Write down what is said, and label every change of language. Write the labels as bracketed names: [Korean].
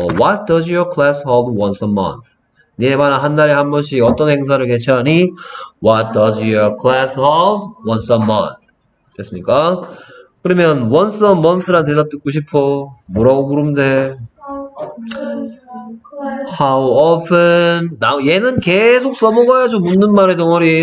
[English] What does your class hold once a month? [Korean] 니네 반은 한 달에 한 번씩 어떤 행사를 개최하니? [English] What does your class hold once a month? [Korean] 됐습니까? 그러면 [English] once a month [Korean] 란 대답 듣고 싶어? 뭐라고 물으면 돼? [English] How often? [Korean] 얘는 계속 써먹어야죠. 묻는 말의 덩어리.